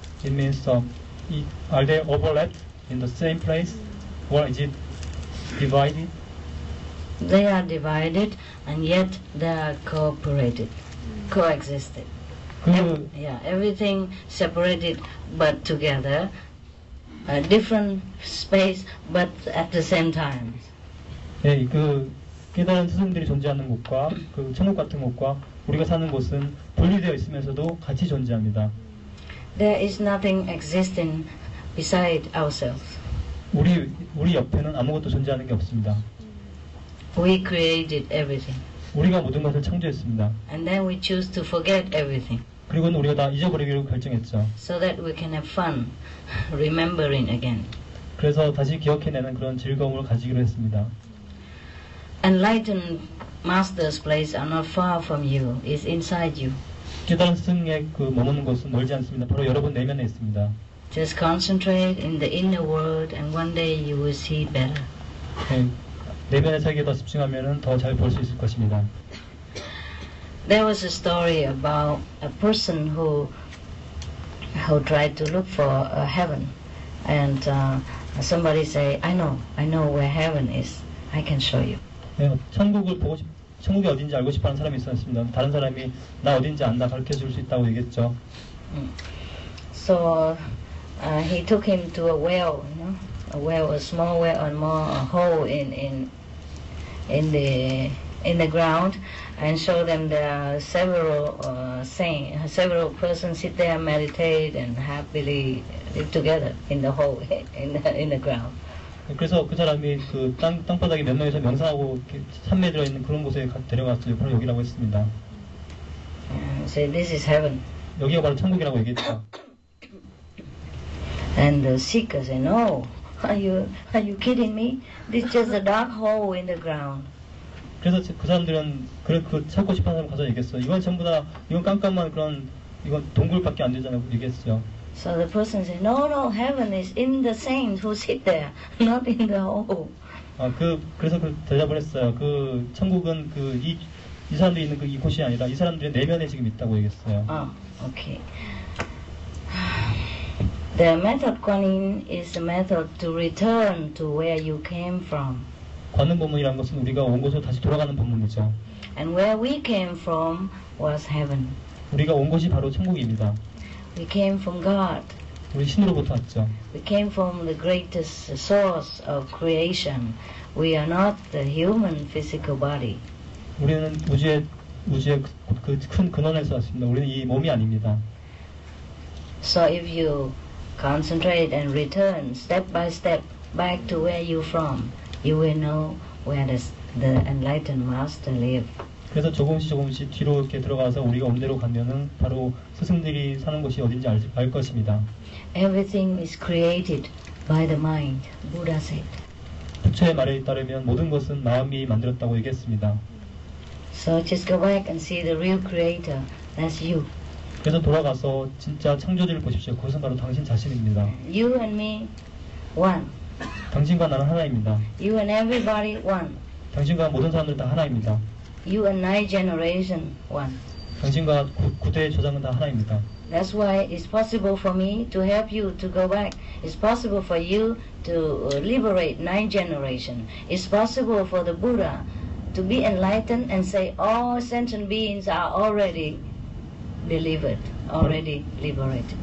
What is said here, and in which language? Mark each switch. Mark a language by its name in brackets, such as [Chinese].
[English] It means are they overlapped in the same place or is it divided? They are divided and yet they are cooperated, coexisted. Everything separated but together, a different space but at the same time. [Korean] Hey, 깨달은 스승들이 존재하는 곳과 그 천국 같은 곳과 우리가 사는 곳은 분리되어 있으면서도 같이 존재합니다. [English] There is nothing existing beside ourselves. [Korean] 우리 옆에는 아무것도 존재하는 게 없습니다. [English] We created everything. [Korean] 우리가 모든 것을 창조했습니다. [English] And then we choose to forget everything. [Korean] 그리고는 우리가 다 잊어버리기로 결정했죠. [English] So that we can have fun remembering again. [Korean] 그래서 다시 기억해내는 그런 즐거움을 가지기로 했습니다. [English] Enlightened masters' place are not far from you. It's inside you. [Korean] 깨달은 스승의 그 머무는 곳은 멀지 않습니다. 바로 여러분 내면에 있습니다. [English] Just concentrate in the inner world, and one day you will see better. [Korean] 내면의 세계에 더 집중하면은 더 잘 볼 수 있을 것입니다. [English] There was a story about a person who tried to look for a heaven, and somebody say, I know where heaven is. I can show you. [Korean] 천국을 보고 싶 천국이 어딘지 알고 싶어하는 사람이 있었습니다. 다른 사람이 나 어딘지 안다 가르쳐 줄 수 있다고 얘기했죠. [English] So he took him to a well, you know, a well, a small well, a small hole in the ground, and show them there are several several persons sit there meditate and happily live together in the hole in the ground. [Korean] 그래서 그 사람이 그 땅바닥에 몇 명이서 명상하고 산매 들어 있는 그런 곳에 데려갔어요. 바로 여기라고 했습니다. [English] So this is heaven. [Korean] 여기가 바로 천국이라고 얘기했죠. [English] And the seeker said, "No, are you kidding me? This is just a dark hole in the ground." [Korean] 그래서 그 사람들은 그 찾고 싶은 사람 가서 얘기했어요. 이건 전부 다 이건 깜깜한 그런 이건 동굴밖에 안 되잖아요. 얘기했어요. [English] So the person said, no, heaven is in the saints who sit there, not in the hole. [Korean] 그래서 그 대답을 했어요. 그 천국은 그 이 사람들이 있는 그 이 곳이 아니라 이 사람들의 내면에 지금 있다고 얘기했어요. [English] Okay. The method Kuan Yin is a method to return to where you came from. [Korean] 관음 법문이라는 것은 우리가 온 곳으로 다시 돌아가는 법문이죠. [English] And where we came from was heaven. [Korean] 우리가 온 곳이 바로 천국입니다. [English] We came from God. [Korean] 우리 신으로부터 왔죠. [English] We came from the greatest source of creation. We are not the human physical body. [Korean] 우리는 우주의 그 큰 근원에서 왔습니다. 우리는 이 몸이 아닙니다. [English] So if you concentrate and return step by step back to where you from, you will know where the enlightened master live. [Korean] 그래서 조금씩 뒤로 이렇게 들어가서 우리가 온대로 가면은 바로 스승들이 사는 곳이 어딘지 알 것입니다. [English] Everything is created by the mind, Buddha said. [Korean] 부처의 말에 따르면 모든 것은 마음이 만들었다고 얘기했습니다. [English] So just go back and see the real creator, that's you. [Korean] 그래서 돌아가서 진짜 창조주를 보십시오. 그것은 바로 당신 자신입니다. [English] You and me, one. [Korean] 당신과 나는 하나입니다. [English] You and everybody, one. [Korean] 당신과 모든 사람들 다 하나입니다. [English] You and my generation, one. [Korean] 당신과 구대의 조상은 다 하나입니다. [English] That's why it's possible for me to help you to go back. It's possible for you to liberate nine generations. It's possible for the Buddha to be enlightened and say all sentient beings are already delivered, already liberated.